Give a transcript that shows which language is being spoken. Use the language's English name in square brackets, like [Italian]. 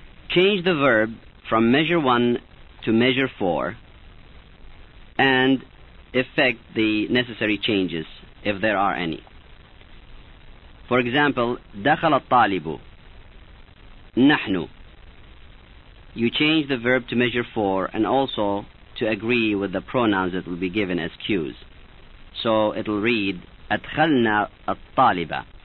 [English] Change the verb from measure 1 to measure 4 and effect the necessary changes if there are any. For example, [Arabic] دخل الطالب. نحن. [English] you change the verb to measure for and also to agree with the pronouns that will be given as cues. So it'll read, [Arabic] أدخلنا الطالبة.